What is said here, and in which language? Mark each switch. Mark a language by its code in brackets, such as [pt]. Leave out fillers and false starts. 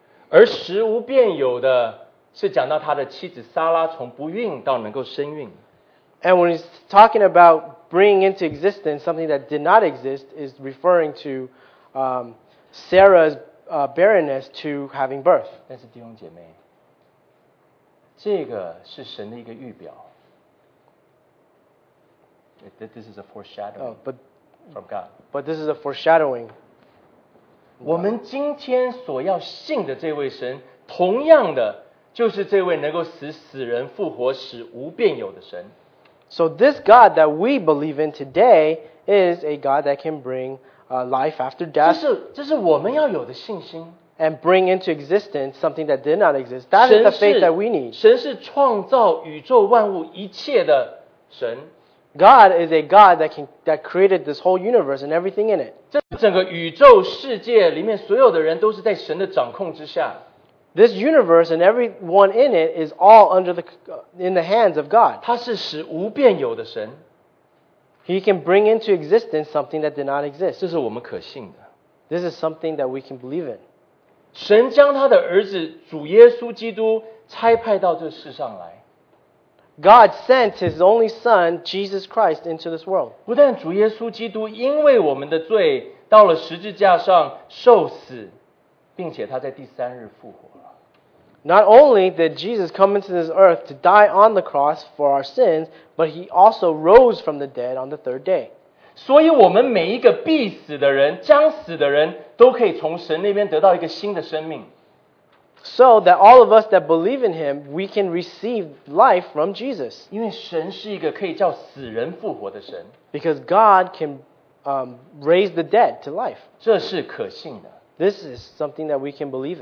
[zh] 而食无变有的是讲到他的妻子撒拉从不孕到能够生孕。 [en] And when he's talking about bringing into existence something that did not exist, is referring to Sarah's barrenness to having birth. [zh] 但是弟兄姐妹，这个是神的一个预表。 [en] This is a foreshadowing from God. But this is a foreshadowing. [zh] 我们今天所要信的这位神，同样的就是这位能够使死人复活、使无变有的神。 [en] So this God that we believe in today is a God that can bring life after death. [zh] 这是我们要有的信心。 [en] And bring into existence something that did not exist. That is the faith that we need. [zh] 神是创造宇宙万物一切的神。 [en] God is a God that created this whole universe and everything in it. [zh] 这整个宇宙世界里面所有的人都是在神的掌控之下。 [en] This universe and everyone in it is all under the, in the hands of God. [zh] 他是使无变有的神。 [en] He can bring into existence something that did not exist. [zh] 这是我们可信的。 [en] This is something that we can believe in. [zh] 神将他的儿子主耶稣基督差派到这世上来。 [en] God sent His only Son, Jesus Christ, into this world. [zh] 不但主耶稣基督因为我们的罪到了十字架上受死，并且他在第三日复活。 [en] Not only did Jesus come into this earth to die on the cross for our sins, but He also rose from the dead on the third day. [zh] 所以我们每一个必死的人、将死的人都可以从神那边得到一个新的生命。 [en] So that all of us that believe in Him, we can receive life from Jesus. [zh] 因为神是一个可以叫死人复活的神。 [en] Because God can raise the dead to life. [zh] 这是可信的。 [en] This is something that we can believe in.